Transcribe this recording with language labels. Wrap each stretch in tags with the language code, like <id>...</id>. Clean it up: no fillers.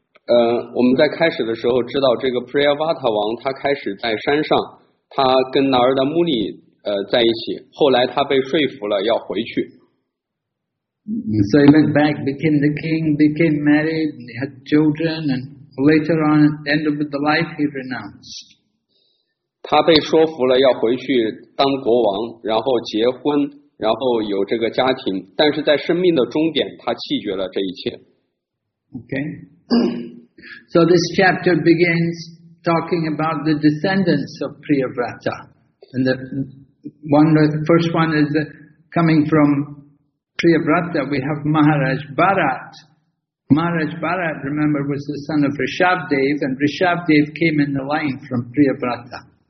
<zh>我们在开始的时候知道这个 Priyavrata 王，他开始在山上，他跟 Narada Muni 在一起，后来他被说服了要回去。</zh> <en>So he went back, became the king, became married, and he had children, andLater on, at the end of the life, he renounced.</en> <zh>他被说服了要回去当国王，然后结婚，然后有这个家庭，但是在生命的终点，他弃绝了这一切。</zh> <en>Okay. So this chapter begins talking about the descendants of Priyavrata. And the first one is coming from Priyavrata. We have Maharaj Bharat. Maharaj Bharat, remember, was the son of Rishabhdev, and Rishabhdev came in the line from Priyavrata.</en>